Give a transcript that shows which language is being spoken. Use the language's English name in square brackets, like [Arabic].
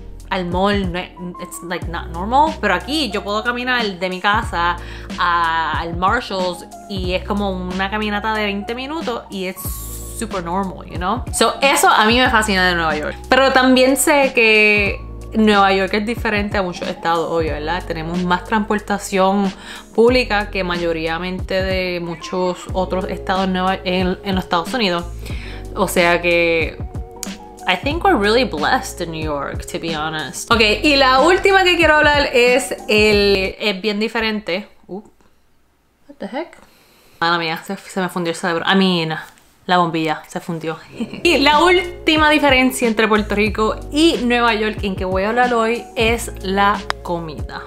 [Spanish] al mall, no es, [English] it's like not normal, [Spanish] pero aquí yo puedo caminar de mi casa al Marshalls y es como una caminata de 20 minutos y es super normal, [English] you know? [Spanish] So eso a mí me fascina de Nueva York. Pero también sé que Nueva York es diferente a muchos estados, obvio, ¿verdad? Tenemos más transportación pública que mayoritariamente de muchos otros estados en los Estados Unidos. O sea que [English] I think we're really blessed in New York, to be honest. [Spanish] Ok, y la última que quiero hablar es es bien diferente. [English] What the heck? [Spanish] Madre mía, se me fundió el cerebro. La bombilla se fundió. Y la última diferencia entre Puerto Rico y Nueva York en que voy a hablar hoy es la comida.